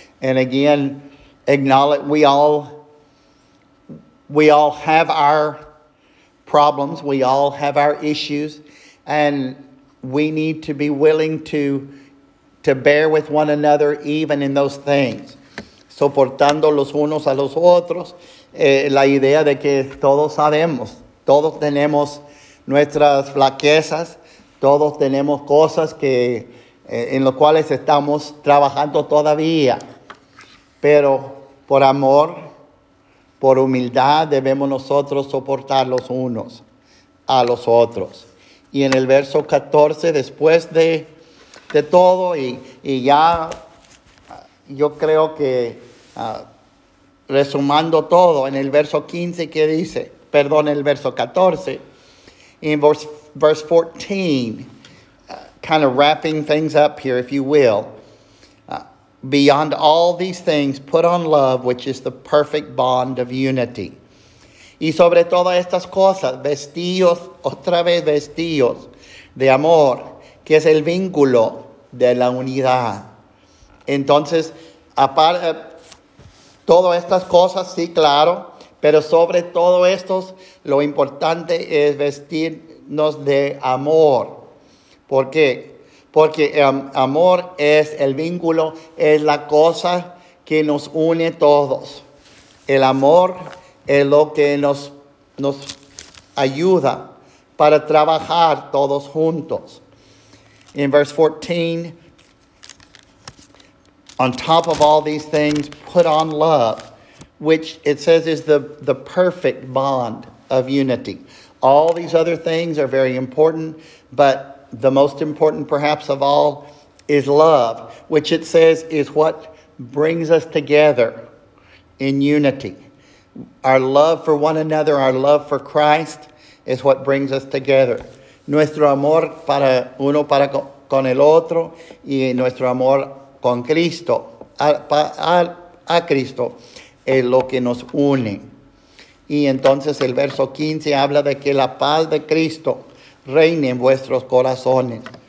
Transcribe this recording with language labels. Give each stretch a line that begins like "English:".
English: And again, acknowledge we all have our problems. We all have our issues. And we need to be willing to bear with one another even in those things.
Spanish: Soportando los unos a los otros, la idea de que todos sabemos, todos tenemos nuestras flaquezas, todos tenemos cosas que en los cuales estamos trabajando todavía. Pero por amor, por humildad, debemos nosotros soportar los unos a los otros. Y en el verso 14, después de todo, y ya yo creo que resumando todo, en el verso 15, ¿qué dice? Perdón, el verso 14.
English: In verse 14, kind of wrapping things up here, if you will. Beyond all these things, put on love, which is the perfect bond of unity.
Spanish: Y sobre todas estas cosas, vestíos, otra vez vestíos, de amor, que es el vínculo de la unidad. Entonces, aparte, todas estas cosas, sí, claro, pero sobre todo estos, lo importante es vestirnos de amor. ¿Por qué? Porque amor es el vínculo, es la cosa que nos une todos. El amor es lo que nos ayuda para trabajar todos juntos.
English: In verse 14, on top of all these things, put on love, which it says is the perfect bond of unity. All these other things are very important, but the most important perhaps of all is love, which it says is what brings us together in unity. Our love for one another, our love for Christ is what brings us together.
Spanish: Nuestro amor para uno para con el otro y nuestro amor con Cristo, a Cristo, es lo que nos une. Y entonces el verso 15 habla de que la paz de Cristo reine en vuestros corazones,